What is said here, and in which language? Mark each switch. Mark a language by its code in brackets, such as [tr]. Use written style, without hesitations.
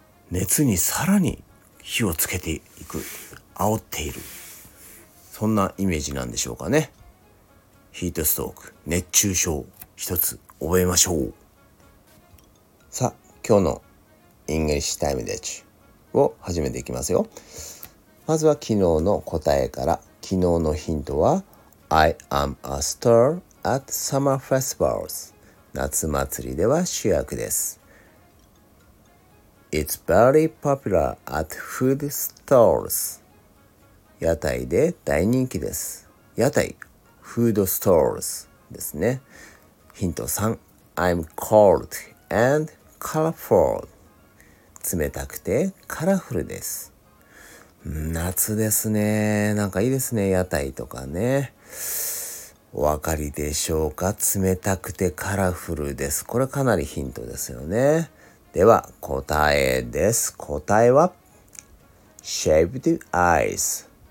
[ja] 熱にさらに火をつけていく、煽っている、そんなイメージなんでしょうかね。ヒートストーク、熱中症、一つ覚えましょう。さあ今日のイングリッシュタイムデッチを始めていきますよ。まずは昨日の答えから。昨日のヒントは [en] I am a star at summer festivals。 [ja] 夏祭りでは主役です。 [en] It's very popular at food stores。 [ja] 屋台で大人気です。屋台、フードストアーズですね。ヒント3、 [en] I'm cold and colorful。 [ja] 冷たくてカラフルです。夏ですね。なんかいいですね、屋台とかね。お分かりでしょうか。冷たくてカラフルです。これかなりヒントですよね。では答えです。答えは Shaved Ice。